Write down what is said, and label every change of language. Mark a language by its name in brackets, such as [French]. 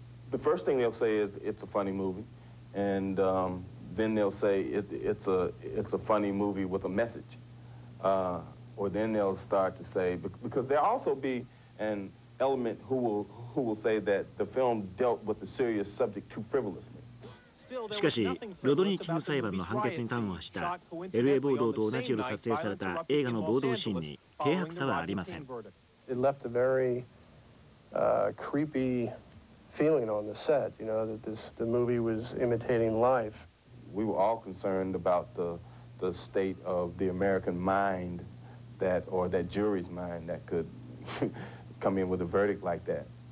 [English] The first thing they'll say is, it's a funny movie. And then they'll say, it's a funny movie with a message. Or then they'll start to say, because there'll also be an element who will say that the film dealt with a serious subject too frivolously. [Japanese] しかし、ロドニー・キング裁判の判決に端を発した LA 暴動と同じように撮影された映画の暴動シーンに軽薄さはありません。 [English] It left a very creepy feeling on the set, you know, that the movie was imitating life. We were all concerned about the state of the American mind that, or that jury's mind that could come in with a verdict like that.